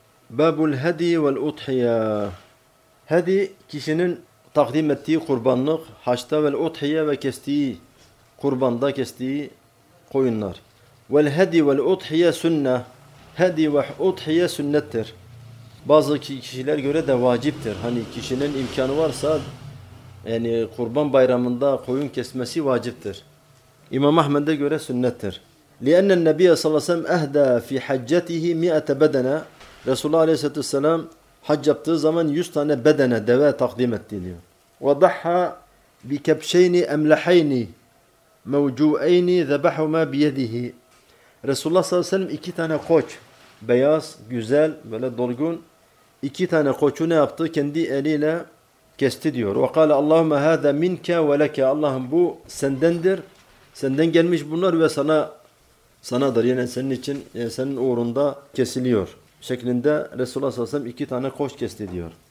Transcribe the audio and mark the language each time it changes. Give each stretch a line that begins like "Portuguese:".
Arabic: Babul hedi vel udhiye.
Turkish: Hedi kişinin takdim ettiği kurbanlık, haçta vel udhiye ve kestiği kurbanda kestiği koyunlar.
Arabic: Vel hedi vel udhiye
Turkish: sünnet. Hedi ve udhiye sünnettir. Bazı kişiler göre de vaciptir. Hani kişinin imkanı varsa yani kurban bayramında koyun kesmesi vaciptir. İmam Ahmed'e göre sünnettir.
Arabic: لأن النبي صلى الله عليه وسلم أهدى في حجته 100 بدنة رسول الله عليه السلام حج
Turkish: yaptığı zaman 100 tane bedene deve takdim etti diyor.
Arabic: وضحى بكبشين أملحين موجوعين ذبحهما بيده. رسول الله صلى الله عليه وسلم
Turkish: 2 tane koç, beyaz, güzel, böyle dolgun 2 tane koçu ne yaptı? Kendi eliyle kesti diyor.
Arabic: وقال اللهم هذا منك ولك.
Turkish: Allah'ım bu sendendir. Senden gelmiş bunlar ve sanadır yani senin için, yani senin uğrunda kesiliyor şeklinde Resulullah sallallahu aleyhi ve sellem 2 tane koç kesti diyor.